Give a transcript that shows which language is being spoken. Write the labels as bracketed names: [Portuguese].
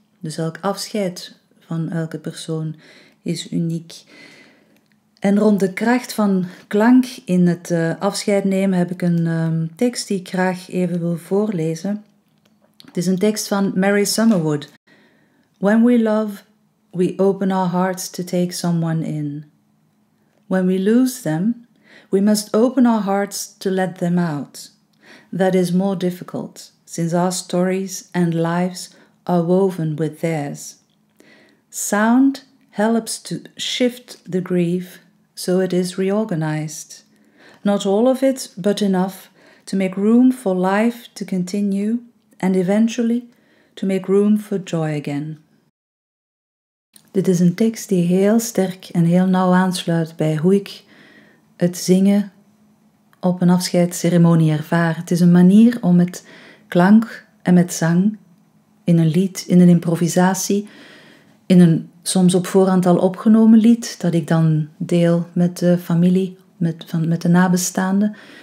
[Dutch] Dus elk afscheid van elke persoon is uniek. En rond de kracht van klank in het afscheid nemen heb ik een tekst die ik graag even wil voorlezen. Het is een tekst van Mary Summerwood. [English] When we love, we open our hearts to take someone in. When we lose them, we must open our hearts to let them out. That is more difficult, since our stories and lives are woven with theirs. Sound helps to shift the grief so it is reorganized. Not all of it, but enough to make room for life to continue and eventually to make room for joy again. [Dutch] Dit is een tekst die heel sterk en heel nauw aansluit bij hoe ik het zingen op een afscheidsceremonie ervaar. Het is een manier om met klank en met zang in een lied, in een improvisatie, in een soms op voorhand al opgenomen lied dat ik dan deel met de familie, met de nabestaanden.